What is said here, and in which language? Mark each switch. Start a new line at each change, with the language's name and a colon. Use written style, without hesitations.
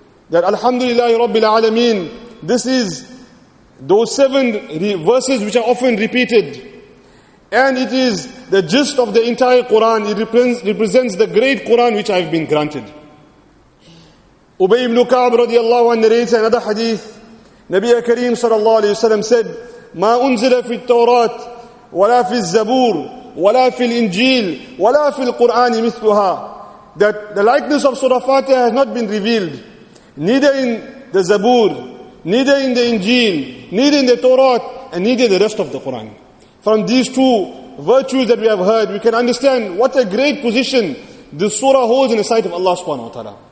English: That Alhamdulillah Rabbil Alameen, this is those seven verses which are often repeated, and it is the gist of the entire Quran. It represents the great Quran which I have been granted. Ubay ibn Ka'b radiallahu anhu narrates another hadith.
Arabic: Nabi Kareem sallallahu alayhi wa sallam
English: said,
Arabic: ما أنزل في التوراة ولا في الزبور ولا في الإنجيل ولا في القرآن مثلها.
English: That the likeness of Surah Fatiha has not been revealed, neither in the Zabur, neither in the Injil, neither in the Torah, and neither in the rest of the Quran. From these two virtues that we have heard, we can understand what a great position this surah holds in the sight of Allah subhanahu wa ta'ala.